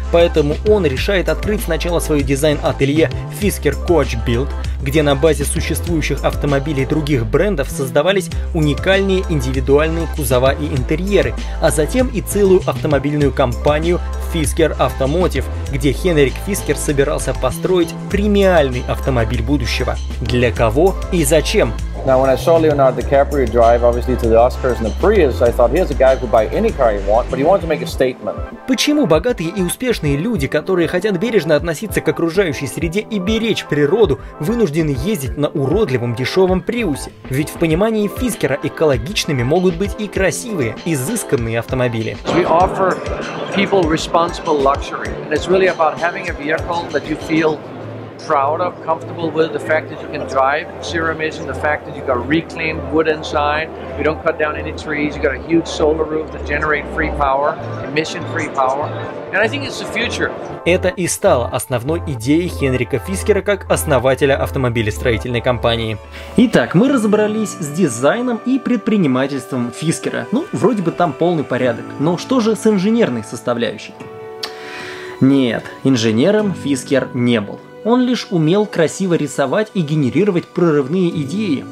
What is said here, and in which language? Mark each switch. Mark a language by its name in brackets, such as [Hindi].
[Russian] Поэтому он решает открыть сначала свое дизайн-ателье Fisker Coach Build, где на базе существующих автомобилей других брендов создавались уникальные индивидуальные кузова и интерьеры, а затем и целую автомобильную компанию Fisker Automotive, где Хенрик Фискер собирался построить премиальный автомобиль будущего. Для кого и зачем? [English] Now, when I saw Leonardo DiCaprio drive, obviously, to the Oscars and the Prius, I thought, here's a guy who could buy any car he wants, but he wanted to make a statement. [Russian] Почему богатые и успешные люди, которые хотят бережно относиться к окружающей среде и беречь природу, вынуждены ездить на уродливом дешевом Приусе? Ведь в понимании Фискера экологичными могут быть и красивые, изысканные автомобили. [English] We offer people responsible luxury, and it's really about having a vehicle that you feel proud of, comfortable with, the fact that you can drive zero emission, the fact that you got reclaimed wood inside, we don't cut down any trees, you got a huge solar roof to generate free power, emission free power, and I think it's the future. [Russian] Это и стало основной идеей Хенрика Фискера как основателя автомобилестроительной компании. Итак, мы разобрались с дизайном и предпринимательством Фискера. Ну, вроде бы там полный порядок, но что же с инженерной составляющей? Нет, инженером Фискер не был. Он лишь умел красиво рисовать и генерировать прорывные идеи.